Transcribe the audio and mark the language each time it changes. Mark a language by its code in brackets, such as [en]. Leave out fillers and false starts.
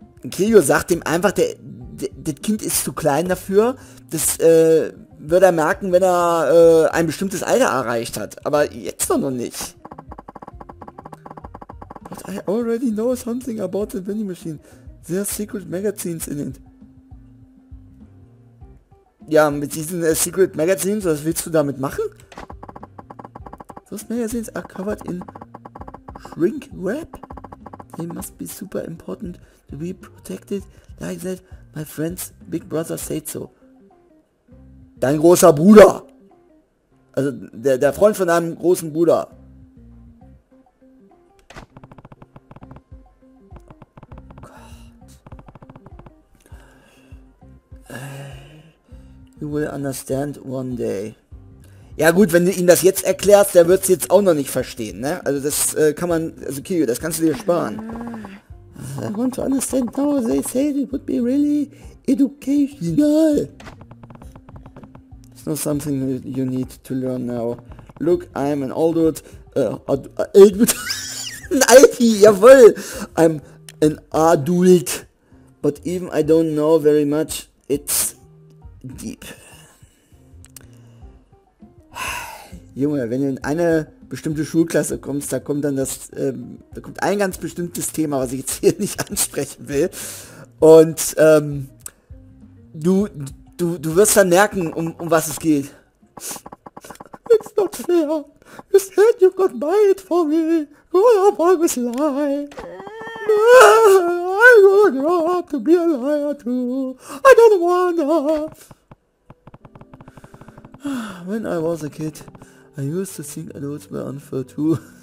[de] Kiryu sagt ihm einfach, das Kind ist zu klein dafür. Das wird er merken, wenn er ein bestimmtes Alter erreicht hat. Aber jetzt doch noch nicht. [en] But I already know something about the vending machine. There are secret magazines in it. [de] Ja, mit diesen Secret Magazines, was willst du damit machen? [en] Those magazines are covered in shrink wrap. They must be super important to be protected. Like that, my friend's big brother said so. [de] Dein großer Bruder! Also, der Freund von deinem großen Bruder. [en] You will understand one day. [de] Ja gut, wenn du ihm das jetzt erklärst, der wird es jetzt auch noch nicht verstehen, ne? Also das kann man, also Kiryu, das kannst du dir sparen. [en] I want to understand now, they said it would be really educational. It's not something that you need to learn now. Look, I'm an old dude. [de] ein Alti, jawohl! [en] I'm an adult. But even I don't know very much, it's deep. [de] Junge, wenn du in eine bestimmte Schulklasse kommst, da kommt dann das, da kommt ein ganz bestimmtes Thema, was ich jetzt hier nicht ansprechen will. Und du wirst dann merken, um was es geht. [en] It's not fair. You said you got my it for me. Grow up, always lie. I will grow up to be a liar too. I don't wanna. When I was a kid, I used to think adults were unfair too.